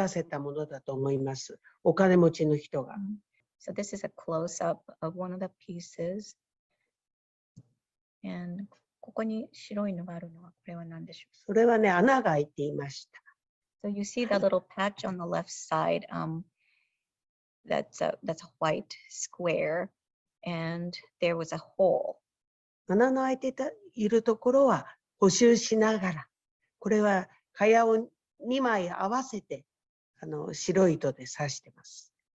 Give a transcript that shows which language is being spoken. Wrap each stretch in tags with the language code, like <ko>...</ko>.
<ja>時間用に作って、自分で折って仕立てて、自分の家で作ったような蚊帳も時々手に入ります。これもこの縞々なのは、これはどういうんでしょうか。それはね、やっぱり、それ、これは茶道から出た蚊帳、茶道の蚊帳だって言って、私が手に入ったものなんですけども、藍染めと普通の蚊帳で、生成りの色を組み合わせて、これもきっと蚊帳の、お店に注文して作らせたものだと思います。お金持ちの人が。</ja> <en>So this is a close-up of one of the pieces. And</en> <ja>ここに白いのがあるのは、これは何でしょう。それはね、穴が開いていました。</ja> <en>So you see the little patch on the left side, that's a white square, and there was a hole.</en> <ja>穴の開いているところは補修しながら、これは蚊帳を2枚合わせて白い糸で刺してます。</ja>